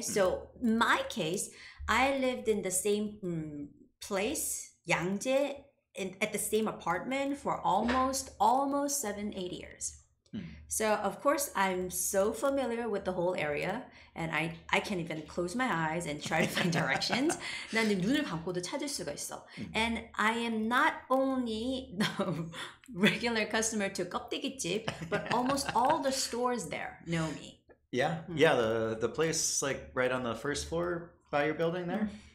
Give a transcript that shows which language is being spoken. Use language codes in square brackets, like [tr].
[en] So my case, I lived in the same place, 양재, at the same apartment for almost 7-8 years. So of course I'm so familiar with the whole area and I can't even close my eyes and try to find directions. [ko] 나는 눈을 감고도 찾을 수가 있어. [en] And I am not only the regular customer to 껍데기집, but almost all the stores there know me. Yeah. Mm. Yeah, the place like right on the first floor by your building there.